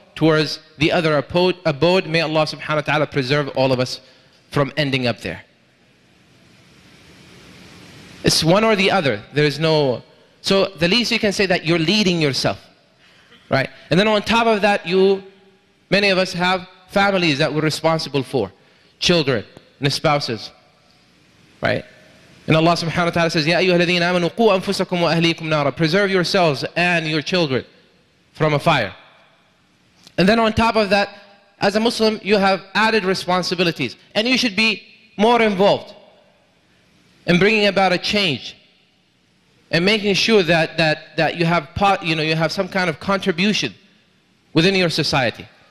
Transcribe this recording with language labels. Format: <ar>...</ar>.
<en>towards the other abode. May Allah subhanahu wa ta'ala preserve all of us from ending up there. It's one or the other. There is no... So the least you can say that you're leading yourself. Right? And then on top of that, you... Many of us have families that we're responsible for. Children and spouses. Right?</en> <ar>And Allah subhanahu wa ta'ala says, يَا أَيُّهَا الَّذِينَ آمَنُوا قُوا أَنفُسَكُمْ وَأَهْلِيكُمْ نَارًا.</ar> <en>Preserve yourselves and your children from a fire. And then on top of that, as a Muslim, you have added responsibilities. And you should be more involved in bringing about a change. And making sure that you have part, you know, you have some kind of contribution within your society.</en>